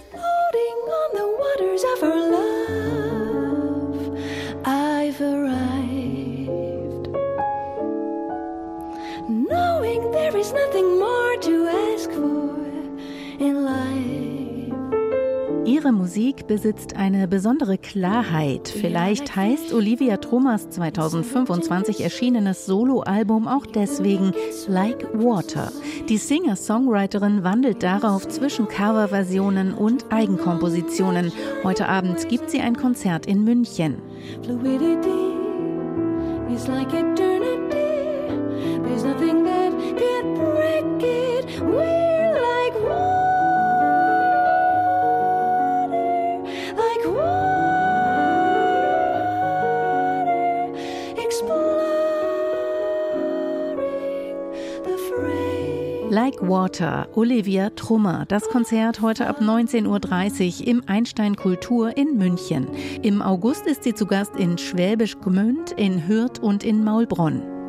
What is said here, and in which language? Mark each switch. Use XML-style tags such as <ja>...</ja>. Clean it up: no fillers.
<en>Floating on the waters of her love, I've arrived. Knowing there is nothing more to ask for in life.</en> <de>Ihre Musik besitzt eine besondere Klarheit. Vielleicht heißt Olivia Thomas' 2025 erschienenes Soloalbum auch deswegen Like Water. Die Singer-Songwriterin wandelt darauf zwischen Coverversionen und Eigenkompositionen. Heute Abend gibt sie ein Konzert in München.</de> <en>Fluidity is like eternity. There's nothing that can break it. We're like water, like water, exploring the frame. Like Water, Olivia Trummer.</en> <de>Das Konzert heute ab 19.30 Uhr im Einstein Kultur in München. Im August ist sie zu Gast in Schwäbisch Gmünd, in Hürth und in Maulbronn.</de>